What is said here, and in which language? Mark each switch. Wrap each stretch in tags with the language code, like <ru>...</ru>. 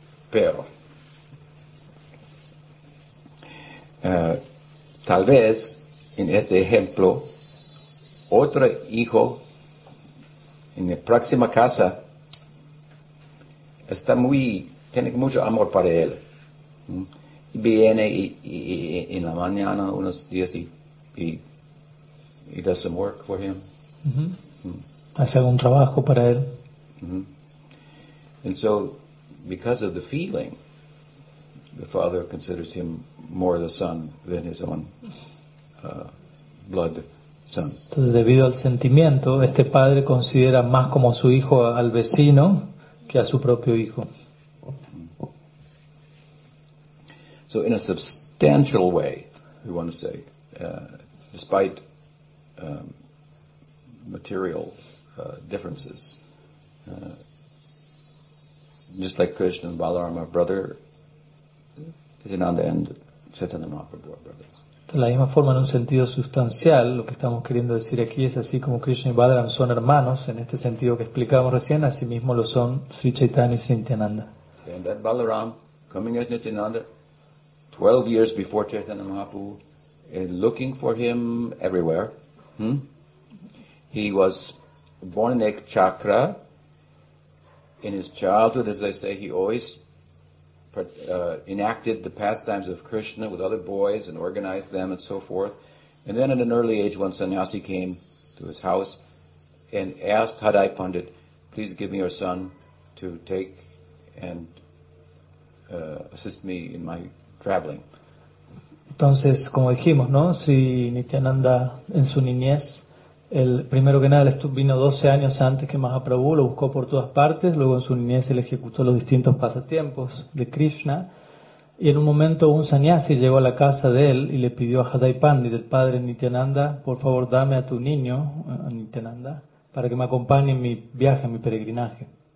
<es>Pero tal vez en este ejemplo, otro hijo en la próxima casa está muy, tiene mucho amor para él. Viene y en la mañana unos días y</es> <en>does some work for him.</en> <es>Hace algún trabajo para él.</es> <en>And so, because of the feeling, the father considers him more the son than his own blood son.</en> <es>Entonces, debido al sentimiento, este padre considera más como su hijo al vecino que a su propio hijo.</es> <en>So, in a substantial way, we want to say, despite material differences, just like Krishna and Balaram are brother, Nityananda and Chaitanya Mahaprabhu are brothers.</en> <es>De la misma forma, en un sentido sustancial, lo que estamos queriendo decir aquí es así como Krishna y Balaram son hermanos, en este sentido que explicamos recién, así mismo lo son Sri Chaitanya y Sri Nityananda.</es> <en>And that Balaram, coming as Nityananda, 12 years before Chaitanya Mahaprabhu, and looking for him everywhere, he was born in Ek Chakra. In his childhood, as I say, he always enacted the pastimes of Krishna with other boys and organized them and so forth. And then at an early age, one sannyasi came to his house and asked Hadai Pandit, please give me your son to take and assist me in my traveling.</en> <es>Entonces, como dijimos, ¿no? Si Nityananda en su niñez, el primero que nada vino 12 años antes que Mahaprabhu, lo buscó por todas partes, luego en su niñez él ejecutó los distintos pasatiempos de Krishna, y en un momento un sannyasi llegó a la casa de él y le pidió a Hadai Pandit, el padre Nityananda, por favor dame a tu niño, a Nityananda, para que me acompañe en mi viaje, en mi peregrinaje.</es>